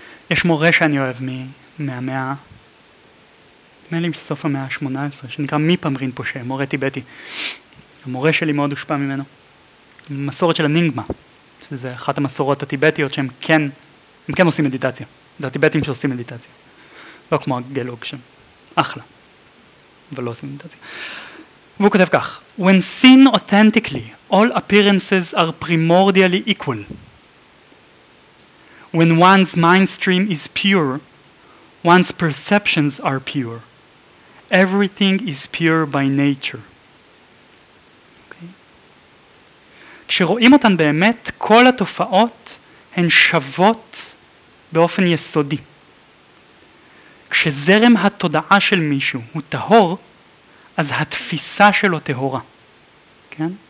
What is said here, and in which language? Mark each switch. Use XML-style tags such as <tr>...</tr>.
<he>יש מורה שאני אוהב מהמאה, נדמה לי מסוף המאה ה-18, שנקרא מי פמרין פושה, מורה טיבטי. המורה שלי מאוד הושפע ממנו. מסורת של הנינגמה, שזה אחת המסורות הטיבטיות שהם כן, הם כן עושים מדיטציה. זה הטיבטים שעושים מדיטציה. לא כמו הגלוג שם. אחלה. אבל לא עושים מדיטציה. והוא כותב כך,</he> <en>When seen authentically, all appearances are primordially equal. When one's mind stream is pure, one's perceptions are pure. Everything is pure by nature. Okay.</en> <he>כשרואים אותן באמת, כל התופעות הן שוות באופן יסודי. כשזרם התודעה של מישהו הוא טהור, אז התפיסה שלו טהורה. כן?</he>